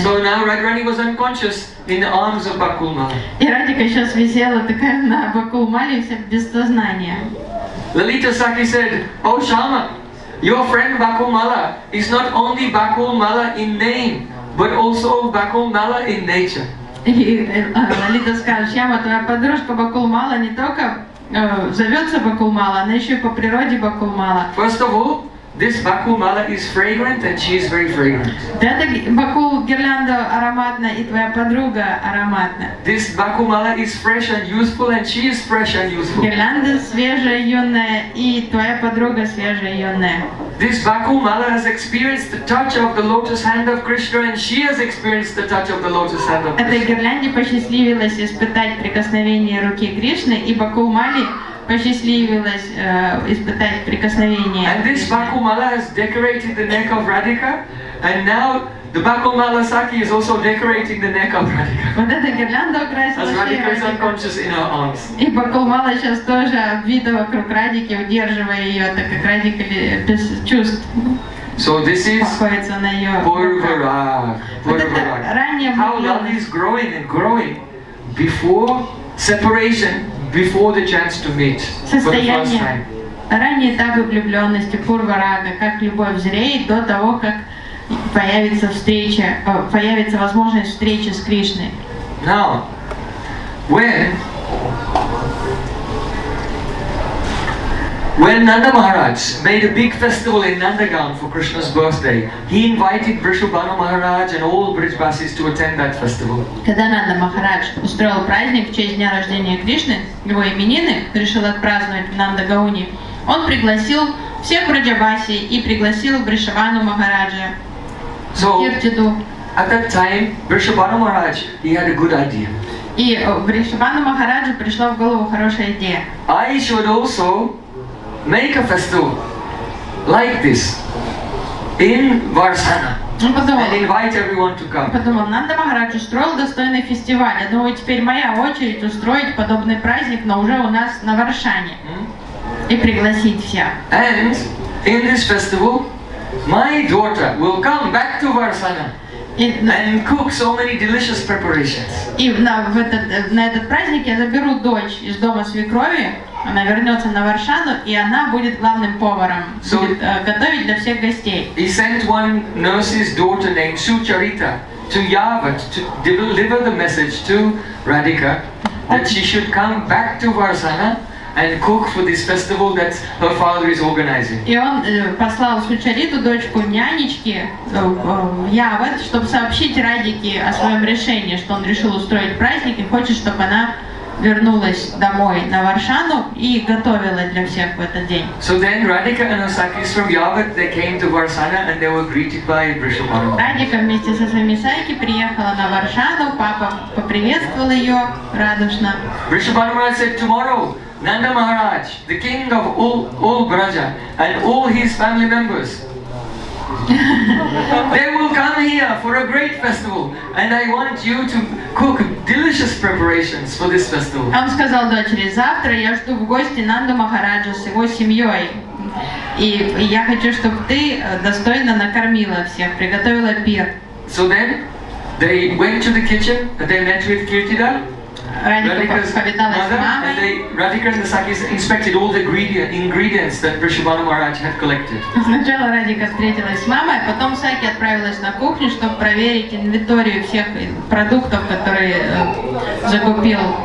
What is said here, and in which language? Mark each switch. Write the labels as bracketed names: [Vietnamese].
[English] So now Radharani was unconscious in the arms of Bakulmala. [Russian] И Радика сейчас висела такая на Бакулмале, вся без сознания. [English] Lalita Sakhi said, "Oh Shama, your friend Bakulmala is not only Bakulmala in name, but also Bakulmala in nature." [Russian] И Лалита сказала: "Шама, твоя подружка Бакулмала не только зовется Бакулмала, она еще и по природе Бакулмала." [English] First of all, this Bakulmala is fragrant, and she is very fragrant. [Russian] Бакул гирлянда ароматна, и твоя подруга ароматна. [English] This Bakulmala is fresh and useful, and she is fresh and useful. [Russian] Гирлянда свежая, юная, и твоя подруга свежая, юная. [English] This Bakulmala has experienced the touch of the lotus hand of Krishna, and she has experienced the touch of the lotus hand of Krishna. [Russian] Этой гирлянде посчастливилось испытать прикосновение руки Кришны, и Бакулмале посчастливилось испытать прикосновение. [English] And this Bakulmala has decorated the neck of Radhika, and now the Bakulmala Sakhi is also decorating the neck of Radhika. [Russian] Вот эта гирлянда украсила шею Радхики. [English] As Radhika is unconscious in her arms. [Russian] И Бакулмала сейчас тоже обвита вокруг Радхики, удерживая ее, так как Радхика без чувств. [English] So this is [Russian] Пурвара. Пурвара. [English] How love is growing and growing before separation. Before the chance to meet for the first time. [Russian] Ранний этап влюбленности, пурва-рага, как любовь зреет до того, как появится встреча, появится возможность встречи с Кришной. [English] Now, when Nanda Maharaj made a big festival in Nandagam for Krishna's birthday, he invited Vrishabhanu Maharaj and all Brijbasis to attend that festival. [Russian] Когда Нанда Махарадж устроил праздник в честь дня рождения Кришны, его именины, решил отпраздновать в Нандагауне, он пригласил всех Брижбаси и пригласил Вришабану Махараджа. [English] So, at that time, Vrishabhanu Maharaj, he had a good idea. [Russian] И Вришабану Махараджу пришла в голову хорошая идея. [English] I should also make a festival like this in Varsana and invite everyone to come. [Russian] Подумал, Нанда Махарадж устроил достойный фестиваль. Я думаю, теперь моя очередь устроить подобный праздник, но уже у нас на Варшане. И пригласить всех. [English] And in this festival, my daughter will come back to Varsana. And cook so many delicious preparations. [Russian] И на этот праздник я заберу дочь из дома свекрови. Она вернется на Варшану, и она будет главным поваром, so, будет готовить для всех гостей. [English] He sent one nurse's daughter named Sucharita to Yahweh to deliver the message to Radhika that she should come back to Varsana and cook for this festival that her father is organizing. [Russian] И он послал Сучариту, дочку нянечки Яват, чтобы сообщить Радике о своем решении, что он решил устроить праздник и хочет, чтобы она вернулась домой на Варшану и готовила для всех в этот день. [English] So then Radhika and Asakis from Yavat, they came to Varsana and they were greeted by Vrishabhanu. [Russian] Radhika вместе со своими сайки приехала на Варшану, папа поприветствовал ее радушно. [English] Vrishabhanu said, tomorrow Nanda Maharaj, the king of all Braja and all his family members, they will come here for a great festival, and I want you to cook delicious preparations for this festival. [Russian] Он сказал дочери: завтра я жду в гости Нанду Махараджу с его семьей, и я хочу, чтобы ты достойно накормила всех, приготовила пир. [English] So then they went to the kitchen. They met with Kirtida. Radhika and Asakis inspected all the ingredients that Vrishabhanu Maharaj had collected. [Russian] Сначала Радика встретилась с мамой, потом Саки отправилась на кухню, чтобы проверить инвентарь всех продуктов, которые закупил.